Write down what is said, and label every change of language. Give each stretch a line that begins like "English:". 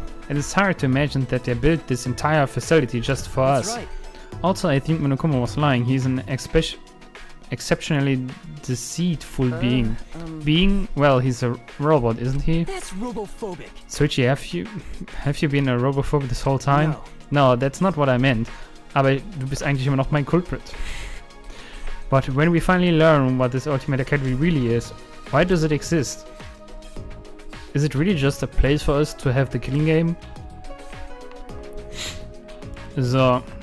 English: It is hard to imagine that they built this entire facility just for That's us. Right. Also, I think Monokuma was lying. He's an exceptionally deceitful being. Well, he's a robot, isn't he? That's robophobic. Soichi, have you been a robophobe this whole time? No. No, that's not what I meant.
German: Aber du bist eigentlich immer noch mein culprit.
English: But when we finally learn what this Ultimate Academy really is, why does it exist? Is it really just a place for us to have the killing game? So.